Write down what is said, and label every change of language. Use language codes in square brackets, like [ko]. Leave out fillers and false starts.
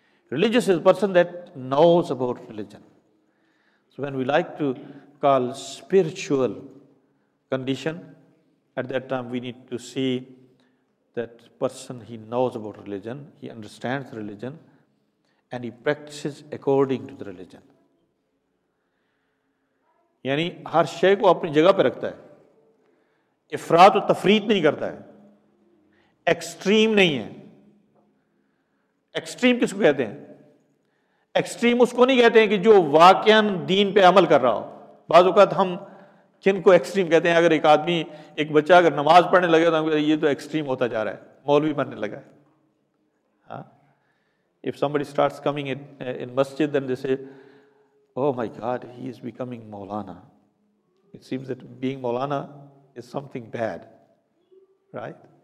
[en] Religious is a person that knows about religion. So when we like to call spiritual condition, at that time we need to see that person, he knows about religion, he understands religion, and he practices according to the religion. [ur] یعنی ہر شے کو اپنی جگہ پہ رکھتا ہے, افراط و تفریط نہیں کرتا ہے, ایکسٹریم نہیں ہے. ایکسٹریم کس کو کہتے ہیں؟ ایکسٹریم اس کو نہیں کہتے ہیں کہ جو واقعا دین پہ عمل کر رہا ہو. بعض اوقات ہم کن کو ایکسٹریم کہتے ہیں, اگر ایک آدمی, ایک بچہ اگر نماز پڑھنے لگے تو ہم کہتے ہیں یہ تو ایکسٹریم ہوتا جا رہا ہے, مولوی بننے لگا ہے. [en] If somebody starts coming in masjid, then they say, oh my God, he is becoming Maulana. It seems that being Maulana is something bad, right?